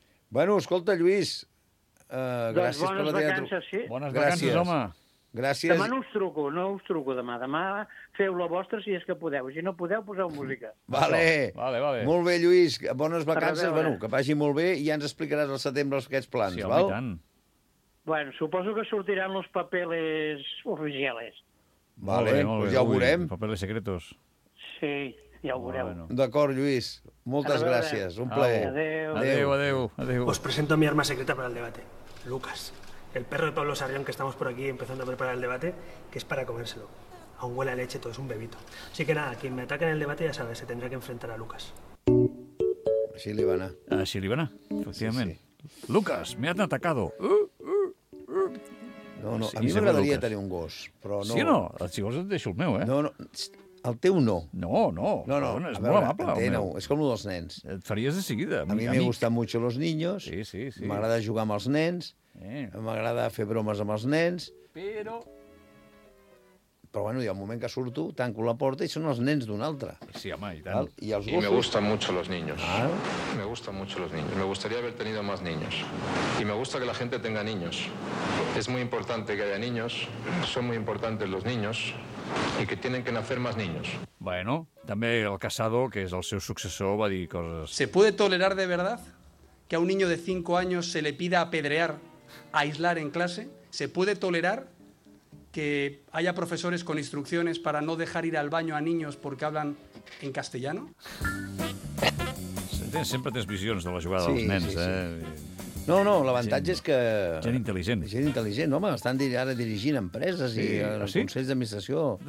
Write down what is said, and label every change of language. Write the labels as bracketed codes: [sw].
[ca] Bueno, escolta, Lluís, gràcies per la teva... Bones vacances, sí. Bones vacances, home. Gràcies. Demà no us truco demà. Demà feu la vostra si és que podeu. Si no podeu, poseu música. Vale. Vale. Molt bé, Lluís, bones vacances. Bueno, que vagi molt bé i ja ens explicaràs al setembre aquests plans, sí, val? Sí, tant. Bueno, suposo que sortiran [es] los papeles oficiales. [ca] Vale, molt bé, pues ja ho veurem. [es] Papeles secretos. [ca] Sí, ja ho veurem. Bueno. D'acord, Lluís. Moltes gràcies. Un plaer. Adéu. [es] Os presento mi arma secreta para el debate. Lucas, el perro de Pablo Sarrión que estamos por aquí empezando a preparar el debate, que es para comérselo. Aún huele a leche, todo es un bebito. Así que nada, quien me ataque en el debate ya sabe, se tendrá que enfrentar a Lucas. [ca] Així li va anar. Així li va anar, efectivament. Sí, sí. [es] Lucas, me han atacado. [ca] No, sí, a mi m'agradaria tenir un gos, però no... Sí o no? Si vols et deixo el meu, eh? No. El teu no. No, és molt amable. Enteneu, és com el dels nens. Et faries de seguida. A mi m'agraden [es] mucho los niños. [ca] Sí. M'agrada jugar amb els nens. M'agrada fer bromes amb els nens. Però bueno, hi ha un moment que surto, tanco la porta i són els nens d'un altre. Sí, home, i tant. I els gossos. [es] Y me gustan mucho los niños. Me gustan mucho los niños. Me gustaría haber tenido más niños. Y me gusta que la gente tenga niños. Es muy importante que haya niños. Son muy importantes los niños. Y que tienen que nacer más niños. [ca] Bueno, també el Casado, que és el seu successor, va dir coses... [es] ¿Se puede tolerar de verdad que a un niño de 5 años se le pida apedrear, aislar en clase? ¿Se puede tolerar que haya profesores con instrucciones para no dejar ir al baño a niños porque hablan en castellano? [ca] Sempre tens visions de la jugada dels nens, sí. Eh? No, l'avantatge és que... Gent intel·ligent. Gent intel·ligent, home, estan ara dirigint empreses sí. i consells d'administració.